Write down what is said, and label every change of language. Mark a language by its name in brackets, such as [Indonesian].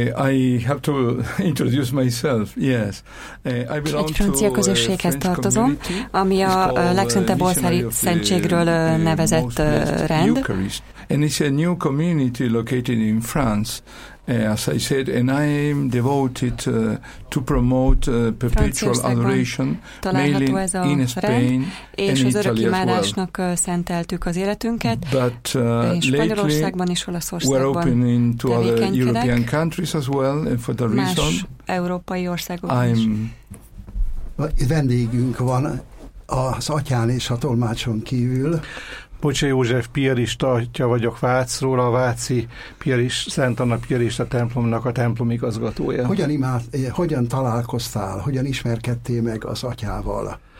[English] I have to introduce myself. Yes, I belong [Hungarian] egy francia közösséghez tartozom, ami a legszentebb oltári szentségről nevezett rend. [English] And it's a new community located in France, as I said, and I am devoted to promote perpetual adoration, mainly in Spain and Italy as well. [Hungarian] És az örökimádásnak szenteltük az életünket, [English] but [Hungarian] Spanyolországban és Olaszországban [English] we're opening to other European countries as well, and for the reason I'm [Hungarian] vendégünk van az atyán és a tolmácson kívül. Pocsai József piarista atya vagyok Vácról, a Váci piarista, Szent Anna piarista templomnak a templom igazgatója. Hogyan találkoztál, hogyan ismerkedtél meg az atyával?